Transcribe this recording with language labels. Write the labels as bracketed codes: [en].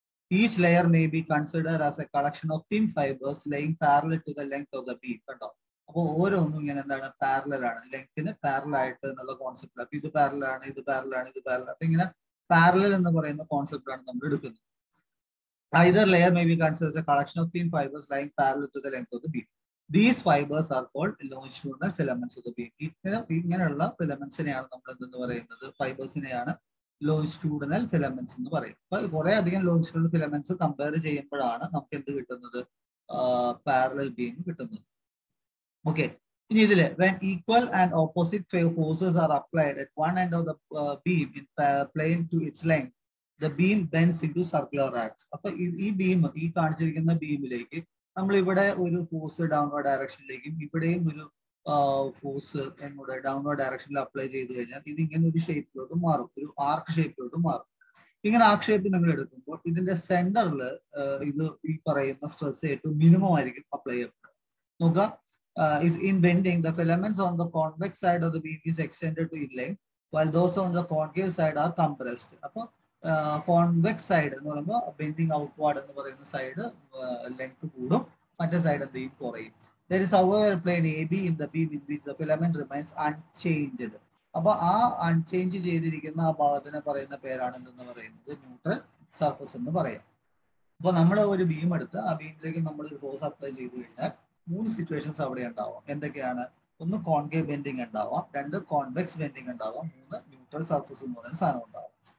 [en] Each layer may be consider as a collection of thin fibres lying parallel to the length of the beam. [ml] കേട്ടോ, അപ്പോൾ ഓരോന്നും ഇങ്ങനെ എന്താണ് parallel ആണ്, ലെങ്ത്തിന് parallel ആയിട്ട് എന്നുള്ള കോൺസെപ്റ്റ്. അപ്പൊ ഇത് പാരലൽ ആണ്, ഇത് പാരലൽ ആണ്, ഇത് പാരലൽ. അപ്പൊ ഇങ്ങനെ പാരലൽ എന്ന് പറയുന്ന കോൺസെപ്റ്റ് ആണ് നമ്മൾ എടുക്കുന്നത്. [en] Either layer may be consider a collection of thin fibres lying parallel to the length of the beam. These fibers are called longitudinal filaments of the beam. [ml] ഇങ്ങനെയുള്ള ഫിലമെന്റ്സ് ആണ് നമ്മൾ എന്തെന്ന് പറയുന്നത്, ഫൈബേഴ്സിനെയാണ് ലോഞ്ചിറ്റ്യൂഡിനൽ ഫിലമെന്റ്സ് എന്ന് പറയും. അപ്പൊ കുറെ അധികം ലോഞ്ചിറ്റ്യൂഡിനൽ ഫിലമെന്റ്സ് കമ്പയർ ചെയ്യുമ്പോഴാണ് നമുക്ക് എന്ത് കിട്ടുന്നത്, പാരലൽ ബീം കിട്ടുന്നത്. [en] okay, [ml] ഇനി ഇതില് [en] When equal and opposite forces are applied at one end of the beam in plane to its length the beam bends into circular arcs. [ml] അപ്പൊ ഈ beam, ഈ കാണിച്ചിരിക്കുന്ന ബീമിലേക്ക് നമ്മളിവിടെ ഒരു ഫോഴ്സ് ഡൗൺവേർഡ് ഡയറക്ഷനിലേക്കും ഇവിടെയും ഒരു ഫോഴ്സ് എന്നോട് ഡൗൺവേർഡ് ഡയറക്ഷനിൽ അപ്ലൈ ചെയ്ത് കഴിഞ്ഞാൽ ഇത് ഇങ്ങനെ ഒരു ഷേപ്പിലോട്ട് മാറും, ഒരു ആർക്ക് ഷേപ്പിലോട്ട് മാറും. ഇങ്ങനെ ആർക്ക് ഷേപ്പ് നിങ്ങൾ എടുക്കുമ്പോൾ ഇതിന്റെ സെന്ററിൽ ഇത് ഈ പറയുന്ന സ്ട്രെസ് ഏറ്റവും മിനിമം ആയിരിക്കും അപ്ലൈ ചെയ്യുന്നത്. നോക്കുക, [en] Is in bending the filaments on the convex side of the beam is extended to in length while those on the concave side are compressed. [ml] അപ്പൊ കോൺവെക്സ് സൈഡ് എന്ന് പറയുമ്പോൾ ബെൻഡിങ് ഔട്ട്വാർഡ് എന്ന് പറയുന്ന side length കൂടും, മറ്റേ side എന്ത് ചെയ്യും, കുറയും. [en] There is however a plane AB in the beam in which the filament remains unchanged. [ml] അപ്പൊ ആ അൺചേഞ്ച് ചെയ്തിരിക്കുന്ന ആ ഭാഗത്തിനെ പറയുന്ന പേരാണ് എന്തെന്ന് പറയുന്നത്, ന്യൂട്രൽ സർഫസ് എന്ന് പറയാം. അപ്പൊ നമ്മൾ ഒരു ബീം എടുത്ത് ആ ബീമിലേക്ക് നമ്മൾ ഒരു ഫോഴ്സ് അപ്ലൈ ചെയ്ത് കഴിഞ്ഞാൽ മൂന്ന് സിറ്റുവേഷൻസ് അവിടെ ഉണ്ടാവാം. എന്തൊക്കെയാണ്? ഒന്ന് കോൺകേവ് ബെൻഡിങ് ഉണ്ടാവാം, രണ്ട് കോൺവെക്സ് ബെൻഡിങ് ഉണ്ടാവാം, മൂന്ന് ന്യൂട്രൽ സർഫസ് എന്ന് പറയുന്ന സാധനം ഉണ്ടാവാം.